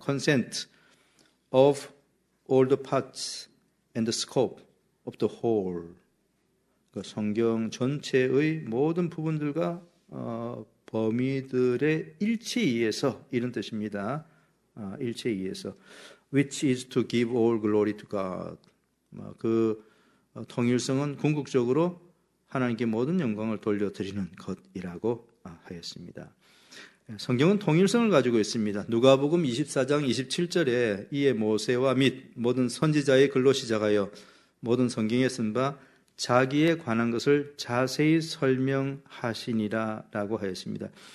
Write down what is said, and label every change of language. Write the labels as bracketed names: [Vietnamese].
[English] consent of all the parts and the scope of the whole. [Korean] 그 성경 전체의 모든 부분들과 범위들의 일치에 의해서 이런 뜻입니다. 일체에 의해서 [English] which is to give all glory to God. [Korean] 그 통일성은 궁극적으로 하나님께 모든 영광을 돌려드리는 것이라고 하였습니다. 성경은 통일성을 가지고 있습니다. 누가복음 24장 27절에 이에 모세와 및 모든 선지자의 글로 시작하여 모든 성경에 쓴 바 자기에 관한 것을 자세히 설명하시니라 라고 하였습니다.